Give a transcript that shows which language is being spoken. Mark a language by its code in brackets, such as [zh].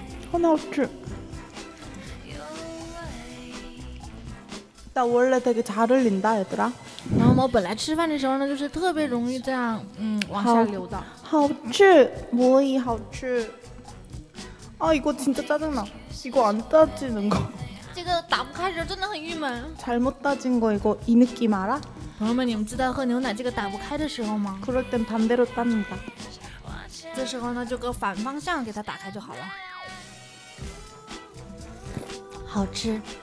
[zh] 很好吃 [ko] 나원래되게잘흘린다얘들아 [zh] 然后我本来吃饭的时候呢，就是特别容易这样，往下流的。好吃，무이好吃。 [ko] 아이거진짜짜증나이거안따지는거 [zh] 这个打不开的时候真的很郁闷。 [ko] 잘못따진거이거이느낌알아 [zh] 朋友们，你们知道喝牛奶这个打不开的时候吗？ [ko] 그럴땐반대로따는다 [zh] 这时候呢，就搁反方向给它打开就好了。好吃，